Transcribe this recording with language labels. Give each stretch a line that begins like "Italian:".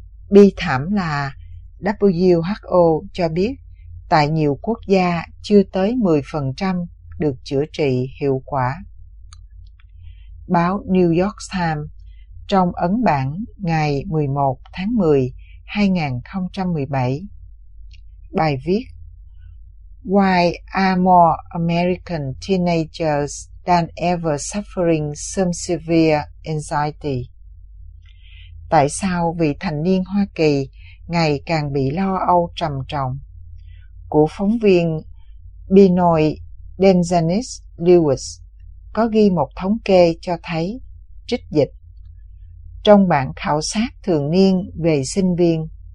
Vietnamese: Bi thảm là WHO cho biết tại nhiều quốc gia chưa tới 10% được chữa trị hiệu quả. Báo New York Times trong ấn bản ngày 11 tháng 10, 2017.
English: Bài viết Why are more American teenagers than ever suffering some severe anxiety?
Vietnamese: Tại sao vị thành niên Hoa Kỳ ngày càng bị lo âu trầm trọng? Của phóng viên Benoit Denzanis Lewis có ghi một thống kê cho thấy, trích dịch, trong bản khảo sát thường niên về sinh viên,